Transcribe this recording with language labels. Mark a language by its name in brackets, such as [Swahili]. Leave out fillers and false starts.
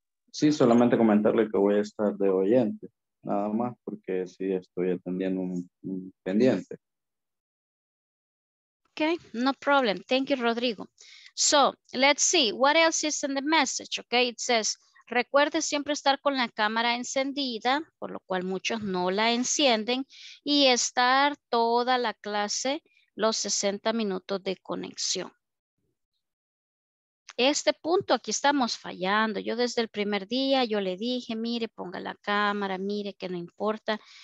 [Spanish] Sí, solamente comentarle que voy a estar de oyente, nada más, porque sí estoy atendiendo un pendiente. [English] Okay, no problem. Thank you, Rodrigo. So, let's see, what else is in the message, okay? It says, [Spanish] recuerde siempre estar con la cámara encendida, por lo cual muchos no la encienden, y estar toda la clase los 60 minutos de conexión. Este punto aquí estamos fallando. Yo desde el primer día yo le dije, mire, ponga la cámara, mire que no importa